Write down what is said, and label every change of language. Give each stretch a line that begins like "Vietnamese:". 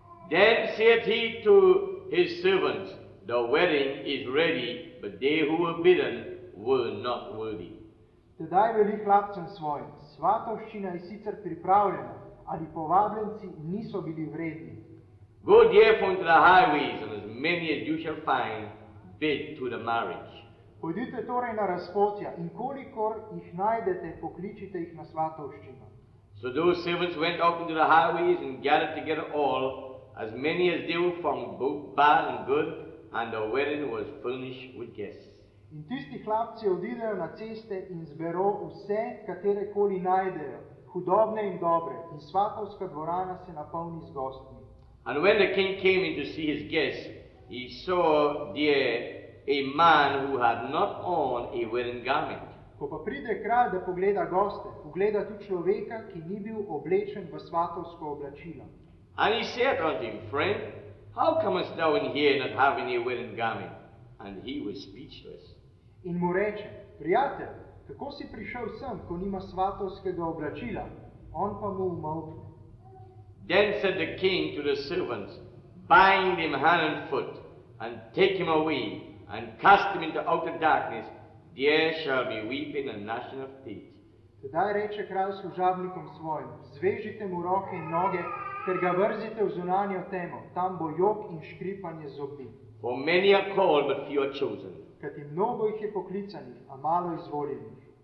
English: Then said he to his servants, the wedding is ready, but they who were bidden were not worthy.
Slovenian: Tedaj veli hlapcem svojim, svatovščina je sicer pripravljena, ali povabljenci niso bili vredni.
English: Go therefore into the highways, and as many as you shall find, bid to the marriage.
Slovenian: Pojdite torej na razpotja, in kolikor jih najdete, pokličite jih na svatovščino.
English: So those servants went out into the highways and gathered together all, as many as they were found, both bad and good, and the wedding was furnished with guests.
Slovenian: In tisti hlapci odidejo na ceste in zbero vse, katere koli najdejo, hudobne in dobre, in svatovska dvorana se napolni z gosti.
English: And when the king came in to see his guests, he saw there a man who had not on a wedding garment.
Slovenian: Ko pa pride kralj da pogleda goste, pogleda tu človeka, ki ni bil oblečen v svatovsko oblačilo.
English: And he said unto him, friend, how comest thou in here not having a wedding garment? And he was speechless.
Slovenian: In mu reče, prijatelj, kako si prišel sem, ko nima svatovskega oblačila? On pa mu umolkne.
English: Then said the king to the servants, bind him hand and foot, and take him away, and cast him into outer darkness. There shall be weeping and gnashing of teeth.
Slovenian: Tada reče kralj služabnikom svojim, zvežite mu roke in noge, ker ga vrzite v zunanjo temo, tam bo jok in škripanje zobi.
English: For many are called, but few are chosen.
Slovenian: Kajti mnogo jih je poklicanih, a malo izvoljenih.